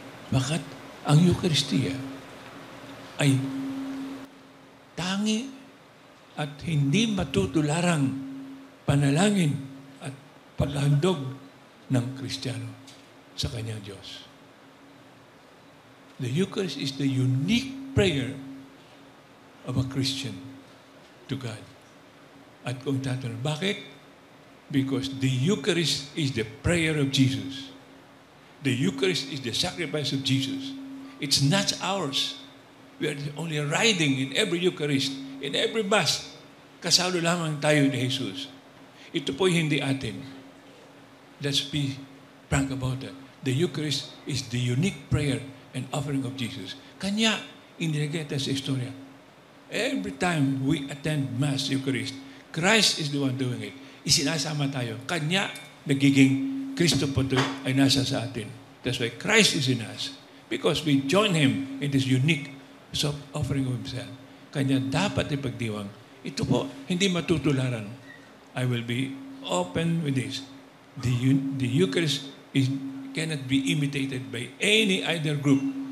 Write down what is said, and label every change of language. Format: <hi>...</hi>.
<tl>Bakit ang Eucharistia ay tangi at hindi matutularang panalangin at paghandog ng Kristiyano sa kanyang Diyos?</tl> <en>The Eucharist is the unique prayer of a Christian to God.</en> <tl>At kung tatanong, bakit?</tl> <en>Because the Eucharist is the prayer of Jesus. The Eucharist is the sacrifice of Jesus. It's not ours. We are only riding in every Eucharist, in every Mass.</en> <tl>Kasalo lamang tayo ni Jesus. Ito po'y hindi atin.</tl> <en>Let's be frank about that. The Eucharist is the unique prayer and offering of Jesus.</en> <tl>Kanya, inilagay tayo sa istorya.</tl> <en>Every time we attend Mass Eucharist, Christ is the one doing it.</en> <tl>Isinasama tayo. Kanya, nagiging Kristo po ito ay nasa sa atin.</tl> <en>That's why Christ is in us. Because we join Him in this unique offering of Himself.</en> <tl>Kanya dapat ipagdiwang. Ito po, hindi matutularan.</tl> <en>I will be open with this. The Eucharist cannot be imitated by any other group.</en>